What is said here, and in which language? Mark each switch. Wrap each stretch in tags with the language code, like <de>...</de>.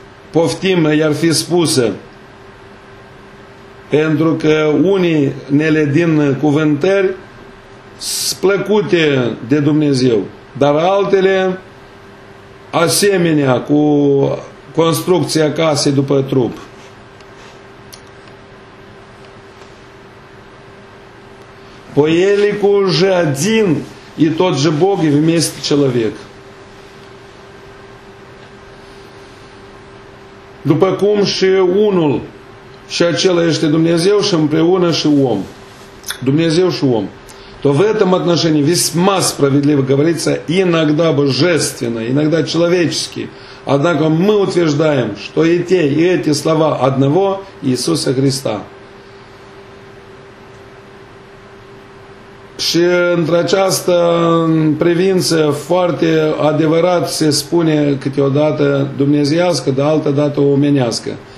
<ro>poftim i-ar fi spusă, pentru că unii nele din cuvântări sunt plăcute de Dumnezeu, dar altele asemenea cu construcția casei după trup.</ro> <ru>По елику уже один и тот же Бог и вместе человек.</ru> <ro>După cum și unul și acela este Dumnezeu și împreună și om. Dumnezeu și om.</ro> <ru>То в этом отношении весьма справедливо говорится иногда божественно, иногда человечески. Однако мы утверждаем, что и те, и эти слова одного Иисуса Христа.</ru> <ro>Și într-această privință foarte adevărat se spune câteodată dumnezeiască, de altă dată omenească.</ro>